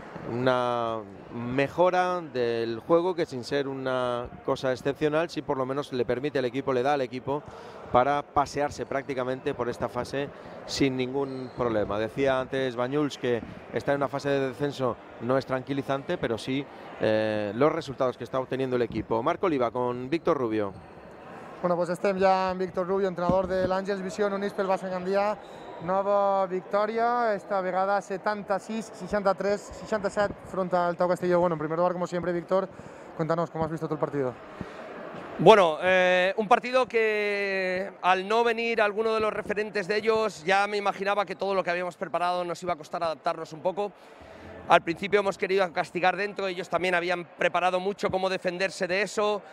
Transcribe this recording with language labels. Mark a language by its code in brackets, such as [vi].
[es] una mejora del juego que, sin ser una cosa excepcional, sí por lo menos le permite al equipo, le da al equipo para pasearse prácticamente por esta fase sin ningún problema. Decía antes Banyuls que estar en una fase de descenso no es tranquilizante, pero sí los resultados que está obteniendo el equipo. Marco Oliva con Víctor Rubio. [ca] Bueno, pues estem ja amb Víctor Rubio, entrenador de l'Àngels Vision Unix pel Baix Gandia. Nova victòria, esta vegada 76-63-67 front al Tau Castelló. [es] Bueno, en primer lugar, como siempre, Víctor, cuéntanos cómo has visto todo el partido. Bueno, un partido que al no venir alguno de los referentes de ellos, ya me imaginaba que todo lo que habíamos preparado nos iba a costar adaptarnos un poco. Al principio hemos querido castigar dentro, ellos también habían preparado mucho cómo defenderse de eso.